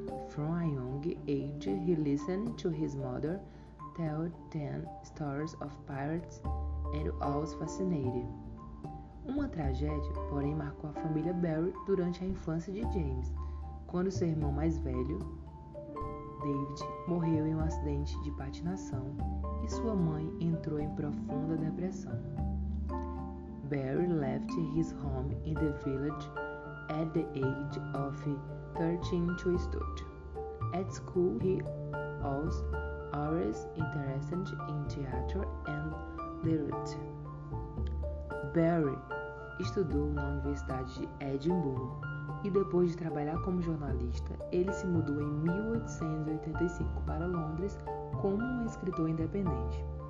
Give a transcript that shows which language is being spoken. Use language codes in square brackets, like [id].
[en] From a young age, he listened to his mother tell 10 stories of pirates and was fascinated. [pt] Uma tragédia, porém, marcou a família Barry durante a infância de James, quando seu irmão mais velho, David, morreu em um acidente de patinação e sua mãe entrou em profunda depressão. [en] Barry left his home in the village at the age of 13 to study. At school, he was always interested in theater and literature. [pt] Barry estudou na Universidade de Edimburgo e, depois de trabalhar como jornalista, ele se mudou em 1885 para Londres como um escritor independente.